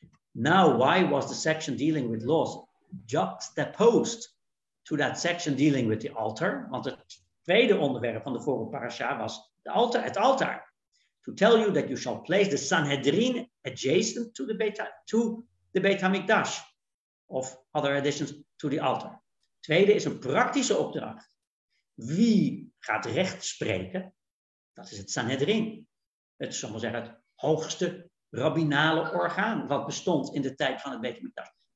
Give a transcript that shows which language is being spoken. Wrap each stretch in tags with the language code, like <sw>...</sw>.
<en>Now, why was the section dealing with laws juxtaposed to that section dealing with the altar?</en> <nl>Want het tweede onderwerp van de vorige parasha was de altar, het altaar.</nl> <en>To tell you that you shall place the Sanhedrin adjacent to the Beit HaMikdash. Of other additions to the altar.</en> <nl>Tweede is een praktische opdracht. Wie gaat recht spreken? Dat is het Sanhedrin. Het zal maar zeggen het hoogste rabbinale orgaan wat bestond in de tijd van het Beit HaMikdash.</nl>